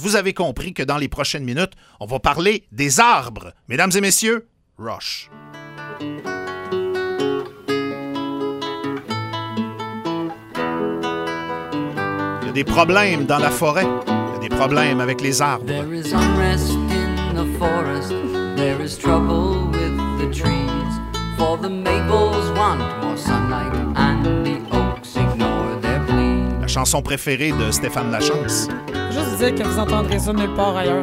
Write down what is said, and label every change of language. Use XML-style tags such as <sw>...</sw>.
<fr>Vous avez compris que dans les prochaines minutes, on va parler des arbres. Mesdames et messieurs, Rush. Il y a des problèmes dans la forêt. Il y a des problèmes avec les arbres.</fr> <en>There is unrest in the forest. There is trouble with the trees. For the maples want more sunlight and the oaks ignore their pleas.</en> <fr>La chanson préférée de Stéphane Lachance. Juste dire que vous entendrez ça nulle part ailleurs.</fr>